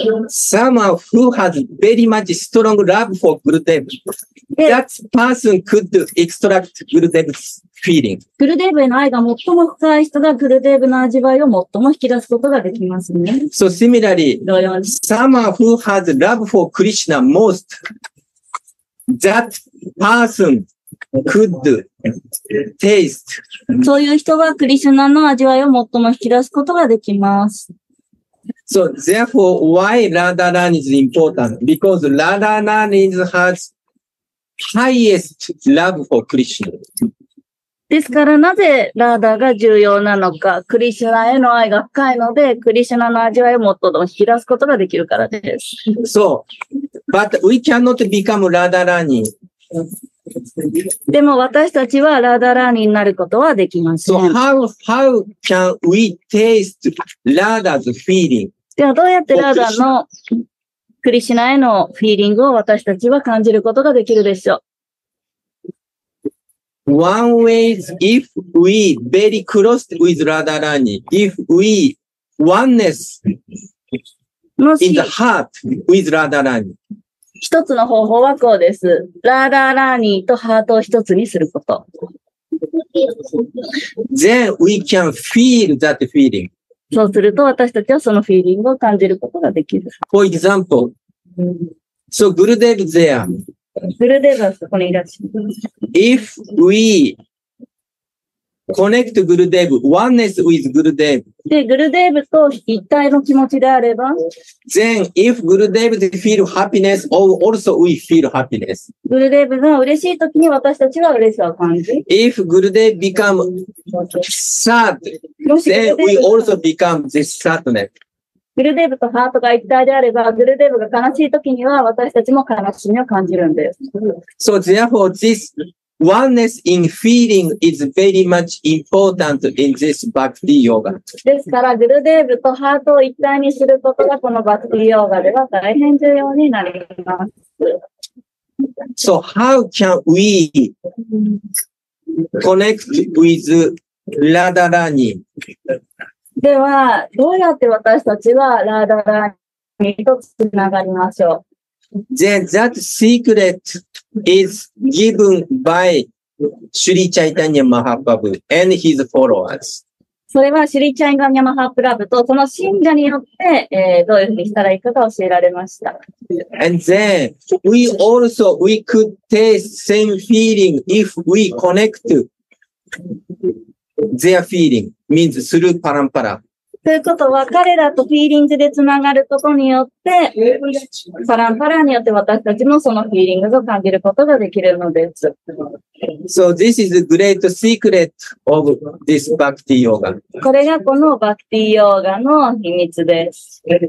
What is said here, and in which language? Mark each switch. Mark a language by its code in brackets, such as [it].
[en] Someone who has very much strong love for Gurudev, that person could extract Gurudev's feeling. [ja] Gurudev への愛が最も深い人が Gurudev の味わいを最も引き出すことができますね。 [en] So similarly, someone who has love for Krishna most, that person. Could taste. [ja] そういう人がクリシュナの味わいを最も引き出すことができます。 [en] So therefore, why Radharani is important? Because Radharani has highest love for Krishna. [ja] ですからなぜラーダが重要なのか、クリシュナへの愛が深いので、クリシュナの味わいを最も引き出すことができるからです。 [en] So, but we cannot become Radharani. [ja] でも私たちはラダラーニになることはできません。 [en] So how can we taste Radha's feeling? [ja] ではどうやってラダのクリシュナへのフィーリングを私たちは感じることができるでしょう。 [en] One way is if we very close with Radharani, if we oneness in the heart with Radharani. [ja] 一つの方法はこうです。ラーダーラーニーとハートを一つにすること。 [en] Then we can feel that feeling. [ja] そうすると私たちはそのフィーリングを感じることができる。 [en] For example, so Gurudev is there. [ja] Gurudev はそこにいらっしゃる。 [en] If we connect Gurudev, oneness with Gurudev. [ja] で、Gurudev と一体の気持ちであれば。 [en] Then, if Gurudev feel happiness, also we feel happiness. [ja] Gurudev が嬉しいときに私たちは嬉しさを感じ。 [en] If Gurudev become sad, then we also become this sadness. [ja] グルデブとハートが一体であれば、グルデブが悲しい時には私たちも悲しみを感じるんです。 [en] So therefore, this oneness in feeling is very much important in this Bhakti Yoga. [ja] ですから、グルデブとハートを一体にすることがこの Bhakti Yoga では大変重要になります。 [en] So how can we connect with Radharani? [ja] では、どうやって私たちはラーダラーニとつながりましょう。 [en] Then that secret is given by Sri Chaitanya Mahaprabhu and his followers. [ja] それはシュリーチャイタニャマハプラブとその信者によって、どういうふうにしたらいいかが教えられました。 [en] And then we also we could taste same feeling if we connect their feeling. Means through parampara. [ja] ということは彼らとフィーリングでつながることによってパランパラによって私たちもそのフィーリングを感じることができるのです。 [en] So this is a great secret of this bhakti yoga. [ja] これがこのバクティヨーガの秘密です。